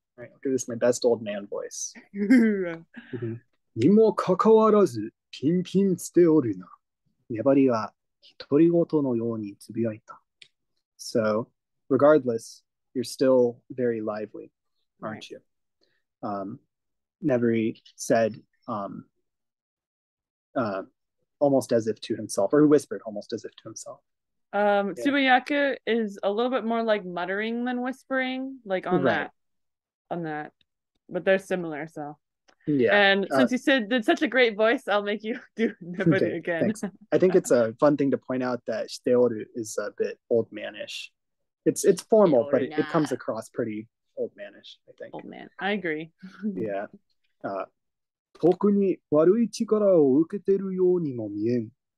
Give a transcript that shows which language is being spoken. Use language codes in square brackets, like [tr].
[en] Right, I'll give this my best old man voice. [ja] にもかかわらずピンピンしておるな.ねばりは独り言のようにつぶやいた. [en] So, regardless, you're still very lively, aren't you? Nebari said, almost as if to himself, or whispered almost as if to himself. Tsubuyaku is a little bit more like muttering than whispering, like on that. But they're similar, so. Yeah. And since you said did such a great voice, I'll make you do nobody again. Thanks. I think it's a fun thing to point out that shiteoru is a bit old man-ish. It's formal, but it comes across pretty old man-ish, I think. Old man, I agree. Yeah. [ja] 特に悪い力を受けているようにも見えん.